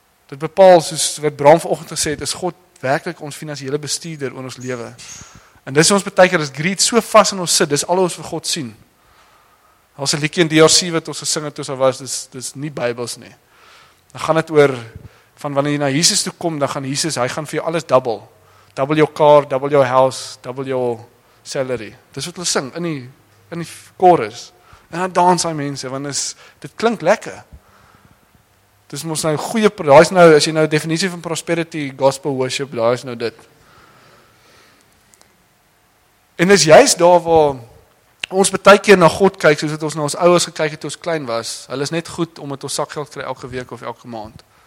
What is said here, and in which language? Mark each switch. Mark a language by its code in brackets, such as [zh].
[af] Dit bepaal, soos wat Bram vanoggend gesê het, is God werklik ons finansiële bestuurder in ons lewe. En dis ons baie keer as greed so vas in ons sit, dis al ons vir God sien. Daar's 'n liedjie in DRC wat ons gesing het toe ons was, dis nie Bybels nie. Dan gaan dit oor, van wanneer jy na Jesus toe kom, dan gaan Jesus, hy gaan vir jou alles double. [en] Double your car, double your house, double your salary. [af] Dis wat hulle sing in die chorus. En dan dans hy mense, want dit klink lekker. Dis mos nou goeie, daai is nou, as jy nou definisie van prosperity, gospel worship, daai is nou dit. En dis juist daar waar ons baie keer na God kyk, soos wat ons na ons ouers gekyk het toe ons klein was. Hulle is net goed om het ons sakgeld kry elke week of elke maand.